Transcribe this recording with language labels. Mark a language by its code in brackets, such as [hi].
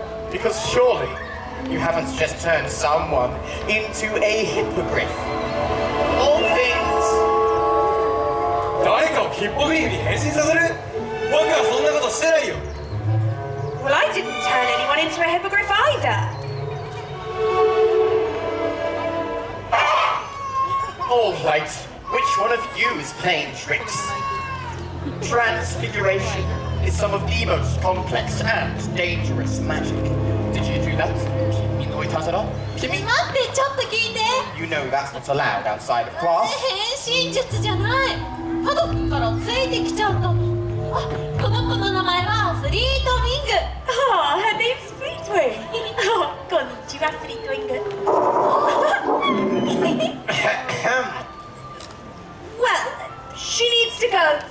[en] Because surely you haven't just turned someone into a hippogriff. All things. [ja] 誰かをヒッポグリフに変身させる？僕はそんなことしてないよ。 [en] Well, I didn't turn anyone into a hippogriff either. All right. Which one of you is playing tricks? Transfiguration is some of the most complex and dangerous magic. Did you do that? [ja] 待って、ちょっと聞いて。 [en] You know that's not allowed outside of class. [ja] 変身術じゃない、パドックからついてきちゃうと。この子の名前はフリートウィング。 [en] Oh, her name's Fleet Wing. [ja] こんにちは、フリートウィング。 [en] Well, she needs to go.